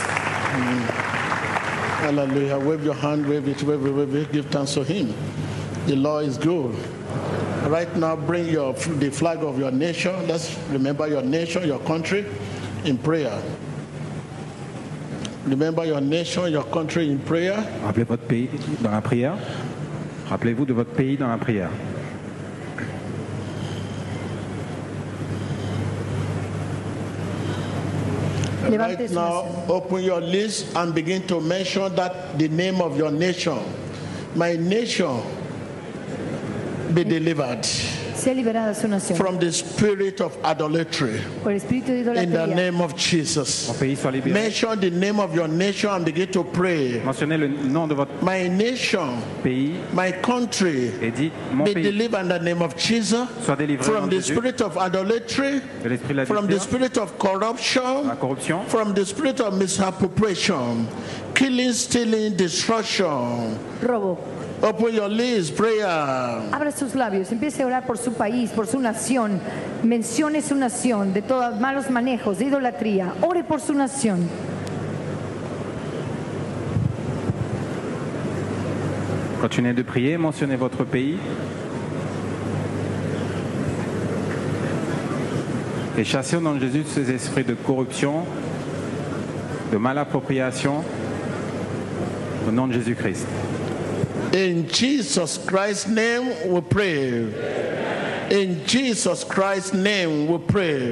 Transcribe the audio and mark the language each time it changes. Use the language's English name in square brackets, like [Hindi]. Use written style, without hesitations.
[English] Hallelujah. Wave your hand, wave it. Give thanks to Him. The Lord is good. Right now, bring the flag of your nation. Let's remember your nation, your country, in prayer. Remember your nation, your country, in prayer. [French] Rappelez votre pays dans la prière. Rappelez-vous de votre pays dans la prière. [English] Right now, open your list and begin to mention that the name of your nation. My nation be delivered from the spirit of idolatry in the name of Jesus. Mention the name of your nation and begin to pray. My nation, my country, be delivered in the name of Jesus from the spirit of idolatry, from the spirit of corruption, from the spirit of misappropriation, killing, stealing, destruction. Open your lips, prayer. [Spanish] Abra sus labios, empiece a orar por su país, por su nación. Mencione su nación de todos malos manejos, de idolatría. Ore por su nación. [French] Continuez de prier, mentionnez votre pays. Et chassez au nom de Jésus ces esprits de corruption, de malappropriation, au nom de Jésus-Christ. [English] In Jesus Christ's name we pray. In Jesus Christ's name we pray.